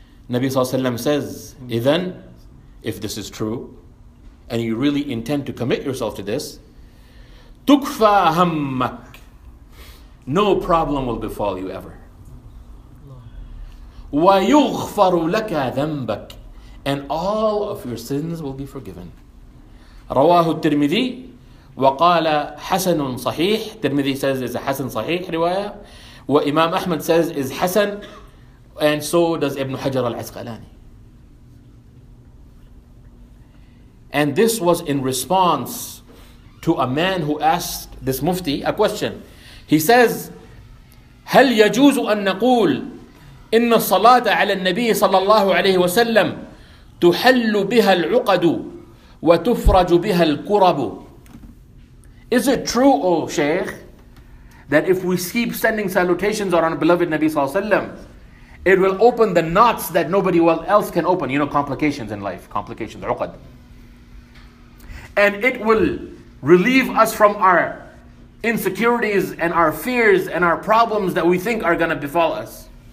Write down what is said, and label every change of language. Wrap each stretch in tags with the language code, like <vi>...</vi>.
<en>Nabi sallallahu alayhi wa sallam says,</en> <ar>إِذَنْ,</ar> <en>if this is true, and you really intend to commit yourself to this,</en> <ar>تُكْفَى هَمَّكْ,</ar> <en>no problem will befall you ever.</en> <ar>وَيُغْفَرُ لَكَ ذَنْبَكْ,</ar> <en>and all of your sins will be forgiven.</en> <ar>رواه الترمذي وقال حسن صحيح.</ar> <en>الترمذي says is a</en> <ar>حسن صحيح رواية, وإمام أحمد</ar> <en>says is حسن, and so does Ibn Hajar al-Asqalani. And this was in response to a man who asked this mufti a question. He says,</en> <ar>هل يجوز أن نقول إن الصلاة على النبي صلى الله عليه وسلم تحل بها العقد وتفرج بها الكرب?</ar> <en>Is it true, O Shaykh, that if we keep sending salutations on our beloved Nabi صلى الله عليه وسلم, it will open the knots that nobody else can open? You know, complications in life, complications, عقد. And it will relieve us from our insecurities and our fears and our problems that we think are going to befall us.</en>